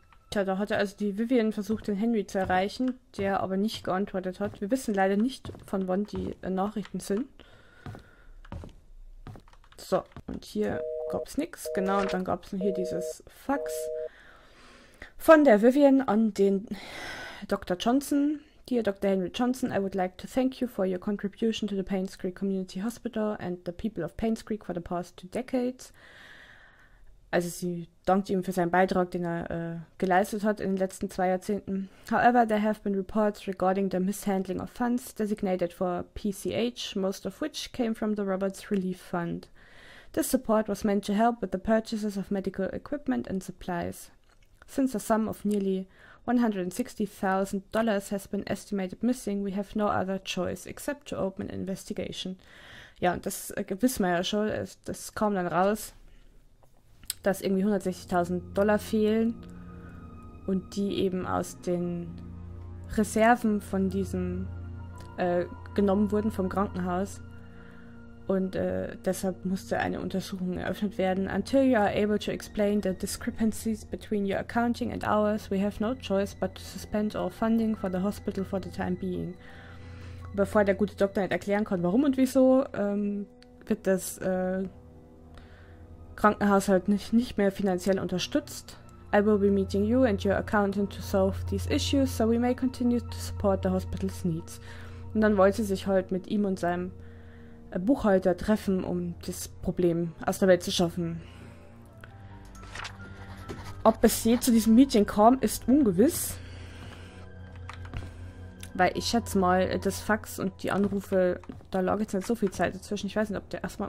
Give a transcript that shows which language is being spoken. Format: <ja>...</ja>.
<de>Tja, da hatte also die Vivian versucht, den Henry zu erreichen, der aber nicht geantwortet hat. Wir wissen leider nicht, von wann die Nachrichten sind. So, und hier gab es nichts. Genau, und dann gab es hier dieses Fax von der Vivian an den Dr.</de> <en>Johnson. Dear Dr. Henry Johnson, I would like to thank you for your contribution to the Paynes Creek Community Hospital and the people of Paynes Creek for the past two decades.</en> <de>Also sie dankt ihm für seinen Beitrag, den er geleistet hat in den letzten zwei Jahrzehnten.</de> <en>However, there have been reports regarding the mishandling of funds designated for PCH, most of which came from the Roberts Relief Fund. This support was meant to help with the purchases of medical equipment and supplies. Since a sum of nearly $160,000 has been estimated missing, we have no other choice except to open an investigation.</en> <de>Ja, und das wissen wir ja schon, das kam dann raus, dass irgendwie $160,000 fehlen und die eben aus den Reserven von diesem genommen wurden vom Krankenhaus. Und deshalb musste eine Untersuchung eröffnet werden.</de> <en>Until you are able to explain the discrepancies between your accounting and ours, we have no choice but to suspend all funding for the hospital for the time being.</en> <de>Bevor der gute Doktor nicht erklären kann, warum und wieso, wird das Krankenhaus halt nicht mehr finanziell unterstützt.</de> <en>I will be meeting you and your accountant to solve these issues, so we may continue to support the hospital's needs.</en> <de>Und dann wollte sie sich halt mit ihm und seinem Buchhalter treffen, um das Problem aus der Welt zu schaffen. Ob es je zu diesem Meeting kam, ist ungewiss. Weil ich schätze mal, das Fax und die Anrufe, da lag jetzt nicht so viel Zeit dazwischen. Ich weiß nicht, ob der erstmal.</de>